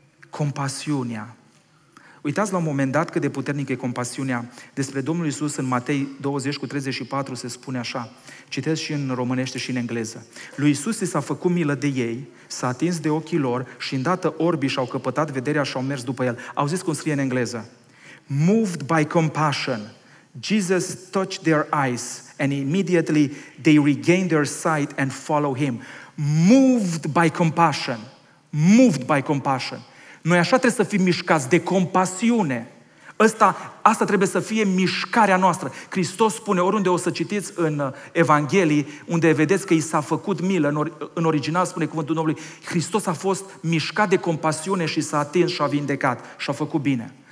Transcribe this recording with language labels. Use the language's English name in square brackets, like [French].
[Romanian] Compasiunea. Uitați la un moment dat cât de puternică e compasiunea. Despre Domnul Iisus în Matei 20 cu 34 se spune așa. Citesc și în românește și în engleză. Lui Iisus i s-a făcut milă de ei, s-a atins de ochii lor și îndată orbii și-au căpătat vederea și-au mers după el. Au zis cum scrie în engleză. [English] Moved by compassion, Jesus touched their eyes and immediately they regained their sight and follow him. Moved by compassion. Moved by compassion. [Romanian] Noi așa trebuie să fim mișcați, de compasiune. Asta trebuie să fie mișcarea noastră. Hristos spune, oriunde o să citiți în Evanghelii, unde vedeți că i s-a făcut milă, în original spune cuvântul Domnului, Hristos a fost mișcat de compasiune și s-a atins și a vindecat și a făcut bine.